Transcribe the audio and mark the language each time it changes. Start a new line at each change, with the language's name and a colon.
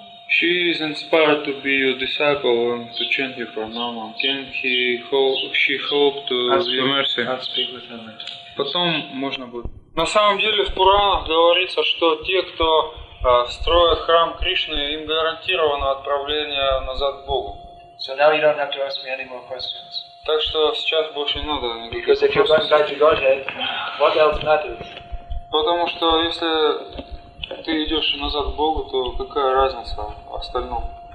English: She is inspired to be your disciple and to chant your pranama. Can he hope, she hope to your mercy? I'll speak with her later.
Russian: Потом можно будет... На самом деле в Пуранах говорится, что те, кто строят храм Кришны, им гарантировано отправление назад к Богу.
English: So now you don't have to ask me any more questions.
Russian: Так что сейчас больше не надо никаких вопросов.
English: Because if you're going back to Godhead, what else matters?
Russian: Потому что если ты идешь назад к Богу, то какая разница в остальном?